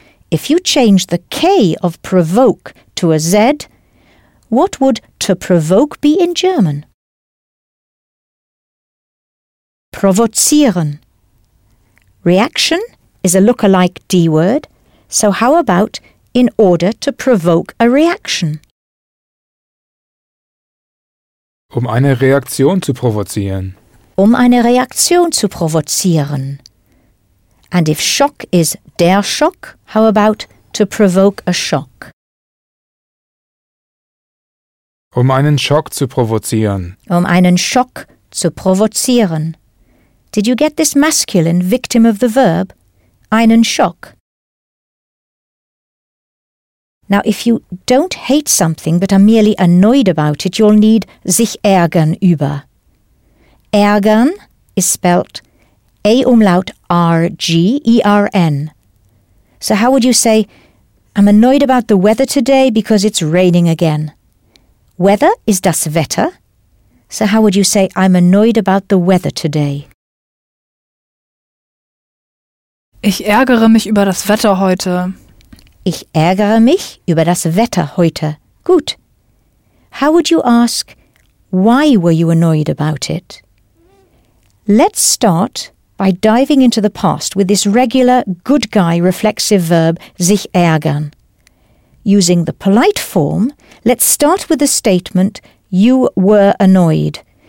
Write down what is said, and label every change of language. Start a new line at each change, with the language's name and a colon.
English: If you change the K of provoke to a Z, what would to provoke be in German? Provozieren. Reaction is a lookalike D word, so how about in order to provoke a reaction?
German: Um eine Reaktion zu provozieren. Um eine Reaktion zu provozieren.
English: And if shock is der Schock, how about to provoke a shock?
German: Um einen Schock zu provozieren. Um einen Schock zu provozieren.
English: Did you get this masculine victim of the verb?
German: Einen Schock.
English: Now, if you don't hate something but are merely annoyed about it, you'll need
German: sich ärgern über.
English: Ärgern is spelt A umlaut R-G-E-R-N. So how would you say, I'm annoyed about the weather today because it's raining again? Weather is das Wetter. So how would you say, I'm annoyed about the weather today?
German: Ich ärgere mich über das Wetter heute. Ich ärgere mich über das Wetter heute. Gut.
English: How would you ask, why were you annoyed about it? Let's start by diving into the past with this regular good guy reflexive verb, sich ärgern. Using the polite form, let's start with the statement, you were annoyed.